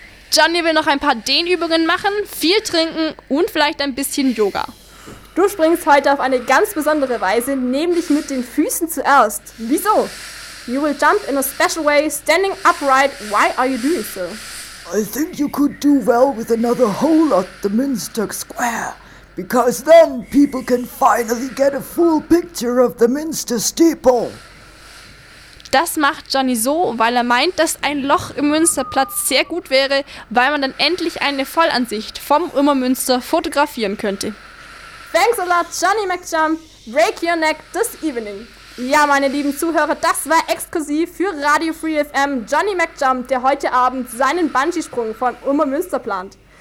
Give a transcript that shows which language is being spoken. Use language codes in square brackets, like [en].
[de] Johnny will noch ein paar Dehnübungen machen, viel trinken und vielleicht ein bisschen Yoga. Du springst heute auf eine ganz besondere Weise, nämlich mit den Füßen zuerst. Wieso? [en] You will jump in a special way, standing upright. Why are you doing so? I think you could do well with another hole at the Münster Square, because then people can finally get a full picture of the Münster Steeple. [de] Das macht Johnny so, weil er meint, dass ein Loch im Münsterplatz sehr gut wäre, weil man dann endlich eine Vollansicht vom Ulmer Münster fotografieren könnte. [en] Thanks a lot, Johnny McJump. Break your neck this evening. [de] Ja, meine lieben Zuhörer, das war exklusiv für Radio 3FM Johnny McJump, der heute Abend seinen Bungee-Sprung von Ulmer Münster plant.